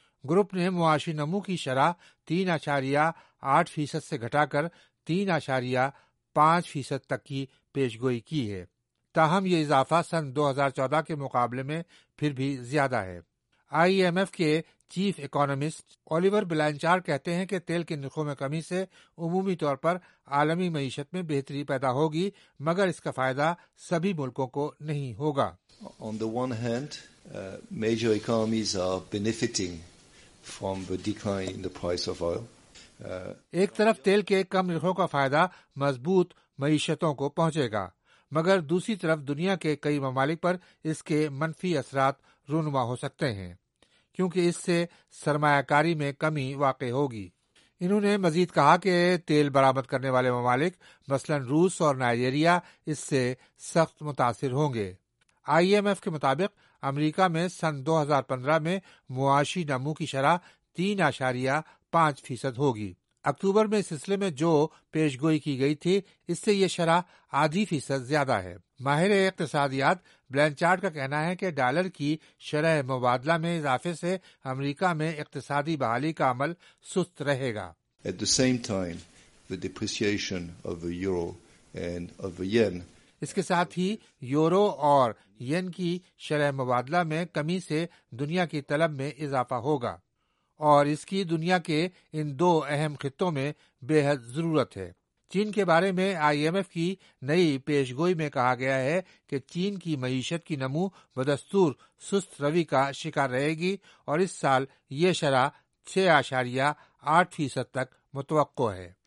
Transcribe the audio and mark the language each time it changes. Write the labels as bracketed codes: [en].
[ur] Group نے معاشی نمو کی شرح 3.8% سے گھٹا کر 3.5% تک کی پیشگوئی کی ہے، تاہم یہ اضافہ سن 2014 کے مقابلے میں پھر بھی زیادہ ہے. آئی ایم ایف کے چیف اکانومسٹ اولیور بلانچار کہتے ہیں کہ تیل کے نرخوں میں کمی سے عمومی طور پر عالمی معیشت میں بہتری پیدا ہوگی، مگر اس کا فائدہ سبھی ملکوں کو نہیں ہوگا. [en] On the one hand, major economies are benefiting from the decline in the price of oil. [ur] ایک طرف تیل کے کم نرخوں کا فائدہ مضبوط معیشتوں کو پہنچے گا، مگر دوسری طرف دنیا کے کئی ممالک پر اس کے منفی اثرات رونما ہو سکتے ہیں کیونکہ اس سے سرمایہ کاری میں کمی واقع ہوگی. انہوں نے مزید کہا کہ تیل برآمد کرنے والے ممالک مثلاً روس اور نائجیریا اس سے سخت متاثر ہوں گے. آئی ایم ایف کے مطابق امریکہ میں سن 2015 میں معاشی نمو کی شرح 3.5% ہوگی. اکتوبر میں سلسلے میں جو پیش گوئی کی گئی تھی اس سے یہ شرح آدھی فیصد زیادہ ہے. ماہر اقتصادیات بلانچارڈ کا کہنا ہے کہ ڈالر کی شرح مبادلہ میں اضافے سے امریکہ میں اقتصادی بحالی کا عمل سست رہے گا. [en] At the same time, the depreciation of the euro and of the yen. [ur] اس کے ساتھ ہی یورو اور ین کی شرح مبادلہ میں کمی سے دنیا کی طلب میں اضافہ ہوگا اور اس کی دنیا کے ان دو اہم خطوں میں بے حد ضرورت ہے. چین کے بارے میں آئی ایم ایف کی نئی پیش گوئی میں کہا گیا ہے کہ چین کی معیشت کی نمو بدستور سست روی کا شکار رہے گی اور اس سال یہ شرح 6.8% تک متوقع ہے.